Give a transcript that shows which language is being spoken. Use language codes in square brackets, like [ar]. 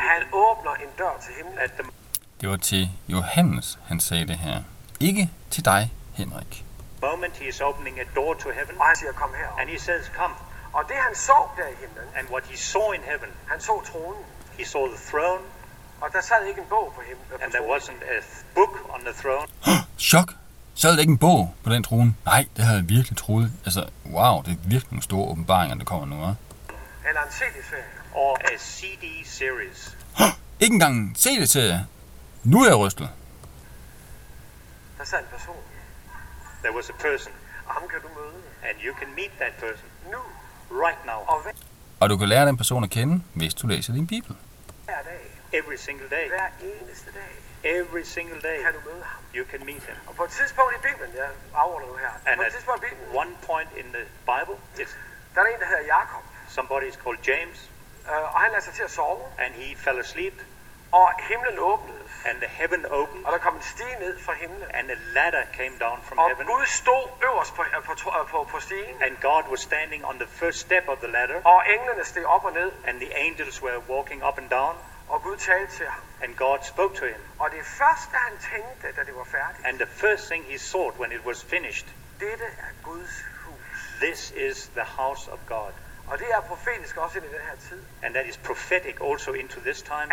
[da] Han åbner en dør til himlen. Det var til Johannes han sagde det her. Ikke til dig, Henrik. [en] Moment he is opening a door to heaven. [da] Og han siger kom herop. [en] And he says come. [da] Og det han så der i himlen. [en] And what he saw in heaven. [da] Han så tronen. [en] He saw the throne. [da] Og der sad ikke en bog på him. [en] And there wasn't a book on the throne. [da] Chok. Sad der ikke en bog på den trone? Nej, det havde jeg virkelig troet. Altså, wow, det er virkelig nogle store åbenbaringer, der kommer nu, hva'? Eller en CD-serie. [en] Or a CD-series. [da] Ikke engang en CD-serie. Nu er jeg rystet. Der sad en person. [en] There was a person. [da] Og ham kan du møde. [en] And you can meet that person. [da] Nu. [en] Right now. [da] Og du kan lære den person at kende, hvis du læser din bibel. Hver dag. [en] Every single day. [da] Hver eneste dag. [en] Every single day. [da] Kan du møde ham? [en] You can meet him. [da] Og på et tidspunkt i Bibelen, jeg afordrer nu her. [en] And [da] på et tidspunkt i Bibelen. [en] One point in the Bible. Yes. [da] Der er en, der hedder Jakob. [en] Somebody is called James. [da] Og han lader sig til at sove. [en] And he fell asleep. [da] Og himlen åbnedes. [en] And the heaven opened. [da] Og der kom en stige ned fra himlen. [en] And a ladder came down from [da] og [en] heaven. [da] Og Gud stod øverst på stigen. [en] And God was standing on the first step of the ladder. [da] Og englene steg op og ned. [en] And the angels were walking up and down. [da] Og Gud talte til ham. [en] And God spoke to him. [da] Og det første han tænkte, da det var færdigt. [en] And the first thing he thought when it was finished. [da] Dette er Guds hus. [en] This is the house of God. [da] Og det er profetisk også ind i den her tid. [en] And that is prophetic also into this time.